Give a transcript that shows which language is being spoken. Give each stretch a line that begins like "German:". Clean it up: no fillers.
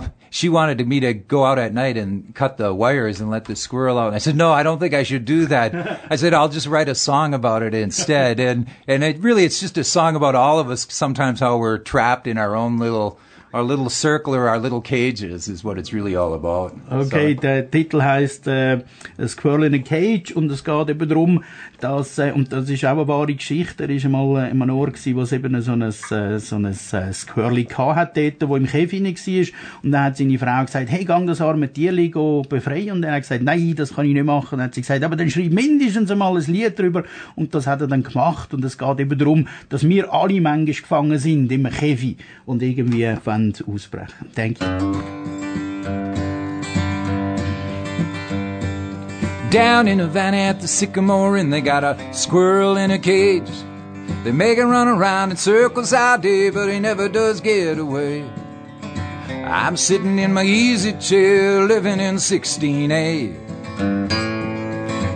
English: She wanted me to go out at night and cut the wires and let the squirrel out. And I said, no, I don't think I should do that. I said, I'll just write a song about it instead. And it really, it's just a song about all of us sometimes, how we're trapped in our own little, our little circle or our little cages is what it's really all about.
German: Okay, so. Der Titel heißt Squirrel in a Cage und es geht eben darum, dass, und das ist auch eine wahre Geschichte, er war mal in einem Ort, wo es eben so ein Squirrel hatte, wo im Käfig war und dann hat seine Frau gesagt, hey, geh das arme Tierli befreien und er hat gesagt, nein, das kann ich nicht machen. Dann hat sie gesagt, aber dann schreib mindestens mal ein Lied darüber und das hat er dann gemacht und es geht eben darum, dass wir alle manchmal gefangen sind im Käfig und irgendwie Band ausbrechen.
English: Thank you. Down in Havana at the Sycamore and they got a squirrel in a cage. They make it run around in circles all day, but he never does get away. I'm sitting in my easy chair living in 16A.